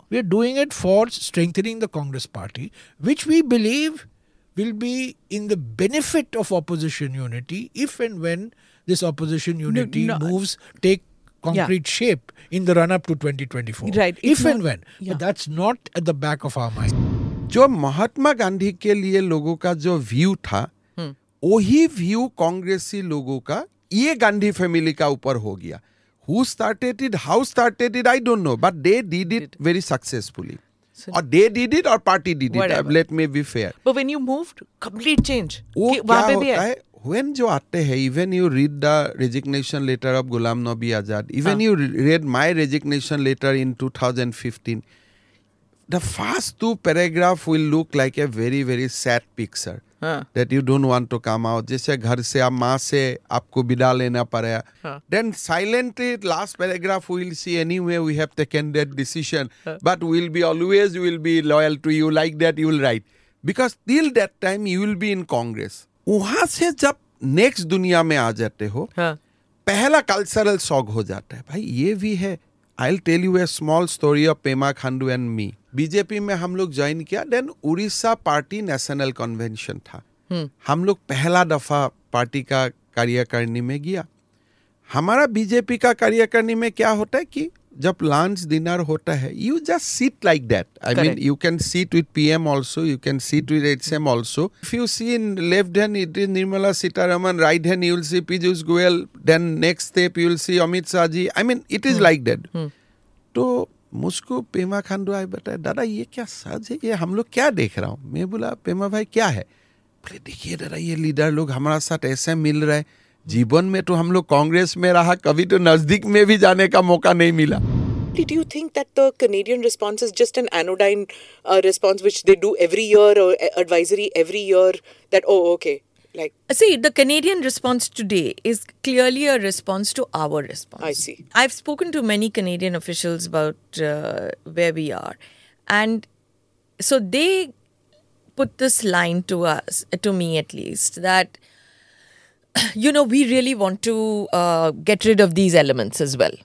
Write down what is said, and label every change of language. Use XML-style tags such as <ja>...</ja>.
<en>We are doing it for strengthening the Congress party, which we believe will be in the benefit of opposition unity if and when this opposition unity takes concrete shape in the run-up to 2024. Right. But that's not at the back of our mind.</en> <hi>जो महात्मा गांधी के लिए लोगों का जो view था, वही view कांग्रेसी लोगों का ये गांधी family का ऊपर हो गया.</hi> <en>Who started it? How started it? I don't know. But they did it very successfully. So, or they did it or party did whatever. It. Let me be fair. But when you moved, complete change. When you</en> <hi>aate hai,</hi> <en>even you read the resignation letter of Ghulam Nabi Azad, even you read my resignation letter in 2015, the first two paragraph will look like a very, very sad picture. That you don't want to come out.</en> <hi>Jaise ghar se, aap maa se, aapko vida lena padeya.</hi> <en>Then silently, last paragraph, we'll see anyway, we have taken that decision. But we'll be always, we'll be loyal to you. Like that, you'll write. Because till that time, you will be in Congress.</en> <hi>वहाँ से जब next दुनिया में आ जाते हो पहला cultural shock हो जाता है भाई ये भी है</hi> <en>I will tell you a small story of Pema Khandu and me</en> <hi>BJP में हम लोग ज्वाइन किया then Orissa party national convention था हम लोग पहला दफा पार्टी का कार्यकारिणी में गया हमारा बीजेपी का कार्यकारिणी में क्या होता है</hi> <en>कि जब lunch dinner होता है you just sit like that I mean you can sit with PM also you can sit with HM also if you see in left hand it is Nirmala Sitharaman right hand you will see Piyush Goyal then next step you will see Amit Shah ji I mean it is like that</en> <hi>तो मुझको पेमा खांडू आई बताया दादा ये क्या साज है ये हम लोग क्या देख रहा हूँ मैं बोला पेमा भाई क्या है बोले देखिए दादा ये लीडर लोग हमारा साथ ऐसे मिल रहे हैं जीवन में तो हम लोग कांग्रेस में रहा कभी तो नजदीक में भी जाने का मौका नहीं मिला</hi> <en>Did you think that the Canadian response is just an anodyne response which they do every year or advisory every year that oh okay like see the Canadian response today is clearly a response to our response I see I've spoken to many Canadian officials about where we are and so they put this line to us to me at least that You know, we really want to get rid of these elements as well.</en>